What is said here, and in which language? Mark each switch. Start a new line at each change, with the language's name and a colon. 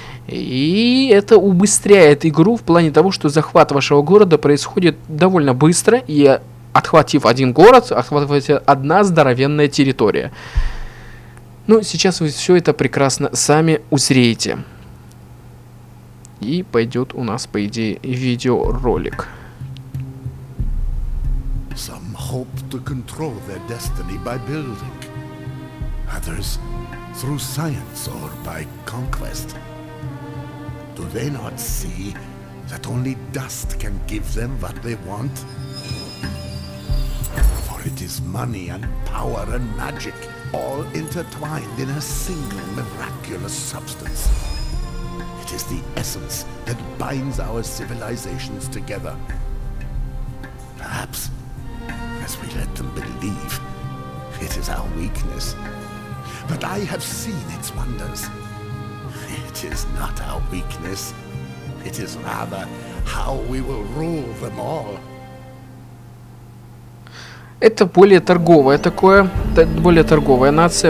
Russian: И это убыстряет игру в плане того, что захват вашего города происходит довольно быстро, и отхватив один город, охватывается одна здоровенная территория. Ну, сейчас вы все это прекрасно сами узреете. И пойдет у нас, по идее, видеоролик.
English: Some hope to control their destiny by building. Others through science or by conquest. Do they not see that only dust can give them what they want? For it is money and power and magic, all intertwined in a single miraculous substance. It is the essence that binds our civilizations together. Perhaps, as we let them believe, it is our weakness. But I have seen its wonders. It is not our weakness. It is rather how we will rule them all.
Russian: Это более торговая такое, более торговая нация.